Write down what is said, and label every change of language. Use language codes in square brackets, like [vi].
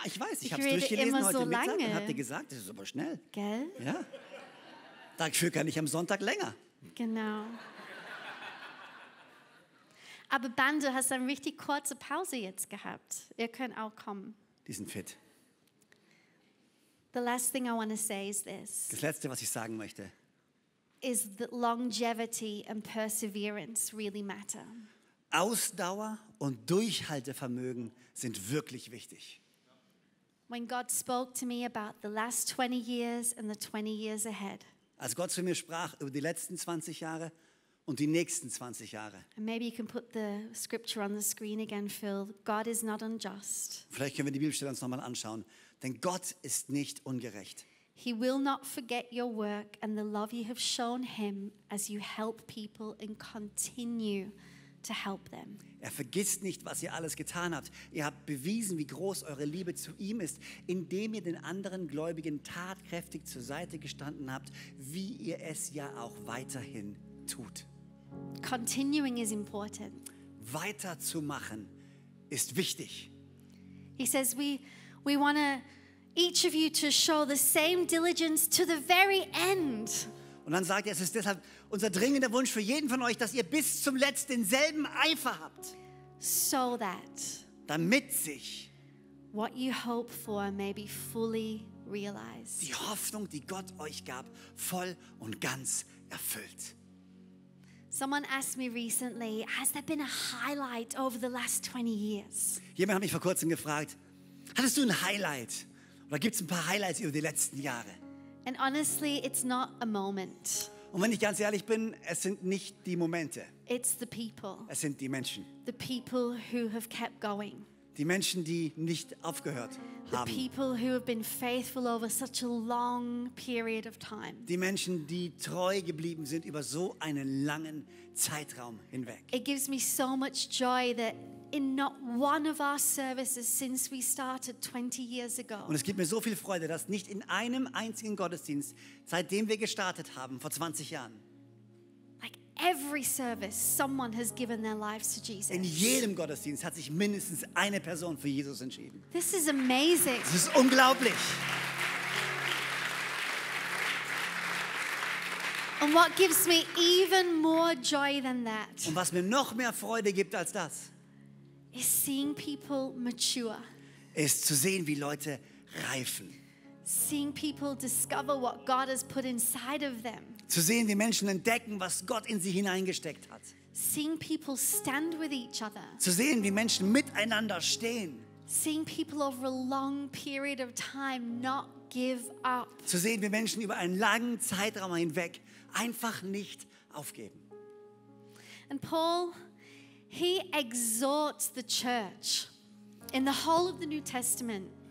[de] Ich weiß. Ich habe es durchgelesen heute so Mittag und habe dir gesagt, das ist aber schnell. Gell? Ja. Dafür kann ich am Sonntag länger. Genau. Aber Ben, du hast eine richtig kurze Pause jetzt gehabt. Ihr könnt auch kommen. Die sind fit. [en] The last thing I want to say is this. [de] Das Letzte, was ich sagen möchte. [en] Is that longevity and perseverance really matter? [de] Ausdauer und Durchhaltevermögen sind wirklich wichtig. [en] When God spoke to me about the last 20 years and the 20 years ahead. [de] Als Gott zu mir sprach über die letzten 20 Jahre und die nächsten 20 Jahre. [en] And maybe you can put the scripture on the screen again, Phil. God is not unjust. [de] Vielleicht können wir die Bibelstelle uns nochmal anschauen, denn Gott ist nicht ungerecht. [en] He will not forget your work and the love you have shown him as you help people and continue to help them. [de] Er vergisst nicht, was ihr alles getan habt. Ihr habt bewiesen, wie groß eure Liebe zu ihm ist, indem ihr den anderen Gläubigen tatkräftig zur Seite gestanden habt, wie ihr es ja auch weiterhin tut. [en] Continuing is important. [de] Weiterzumachen ist wichtig. [en] He says we want to each of you to show the same diligence to the very end. [de] Und dann sagt er, es ist deshalb unser dringender Wunsch für jeden von euch, dass ihr bis zum Letzten denselben Eifer habt. [en] So that. [de] Damit sich. [en] What you hope for may be fully realized. [de] Die Hoffnung, die Gott euch gab, voll und ganz erfüllt. [en] Someone asked me recently, has there been a highlight over the last 20 years? [de] Jemand hat mich vor kurzem gefragt, hattest du ein Highlight? Oder gibt es ein paar Highlights über die letzten Jahre? [en] And honestly, it's not a moment. [de] Und wenn ich ganz ehrlich bin, es sind nicht die Momente. [en] It's the people. [de] Es sind die Menschen. [en] The people who have kept going. [de] Die Menschen, die nicht aufgehört haben. [en] The people who have been faithful over such a long period of time. [de] Die Menschen, die treu geblieben sind über so einen langen Zeitraum hinweg. [en] It gives me so much joy that in not one of our services since we started 20 years ago. [de] Und es gibt mir so viel Freude, dass nicht in einem einzigen Gottesdienst, seitdem wir gestartet haben vor 20 Jahren. [en] Like every service, someone has given their lives to Jesus. [de] In jedem Gottesdienst hat sich mindestens eine Person für Jesus entschieden. [en] This is amazing. [de] Das ist unglaublich. [en] And what gives me even more joy than that? [de] Und was mir noch mehr Freude gibt als das? [en] Is seeing people mature. [de] Ist zu sehen, wie Leute reifen. [en] Seeing people discover what God has put inside of them. [de] Zu sehen, wie Menschen entdecken, was Gott in sie hineingesteckt hat. [en] Seeing people stand with each other. [de] Zu sehen, wie Menschen miteinander stehen. [en] Seeing people over a long period of time not give up. [de] Zu sehen, wie Menschen über einen langen Zeitraum hinweg einfach nicht aufgeben. [en] And Paul, he exhorts the church in the whole of the New Testament.